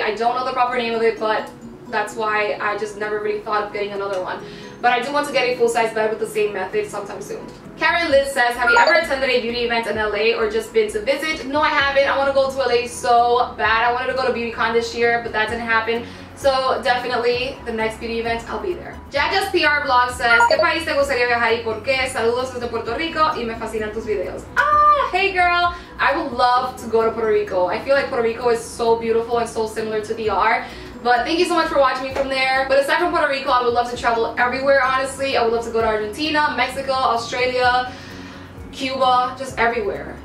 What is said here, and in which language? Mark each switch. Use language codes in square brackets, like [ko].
[en] I don't know the proper name of it, but that's why I just never really thought of getting another one. But I do want to get a full size bed with the same method sometime soon. Karen Liz says, have you ever attended a beauty event in LA or just been to visit? No, I haven't. I want to go to LA so bad. I wanted to go to BeautyCon this year, but that didn't happen. So definitely the next beauty event, I'll be there. Jaja's PR blog says, [es] ¿Qué país te gustaría viajar y por qué? Saludos desde Puerto Rico y me fascinan tus videos. [en] Ah, hey girl. I would love to go to Puerto Rico. I feel like Puerto Rico is so beautiful and so similar to DR. But thank you so much for watching me from there. But aside from Puerto Rico, I would love to travel everywhere, honestly. I would love to go to Argentina, Mexico, Australia, Cuba, just everywhere.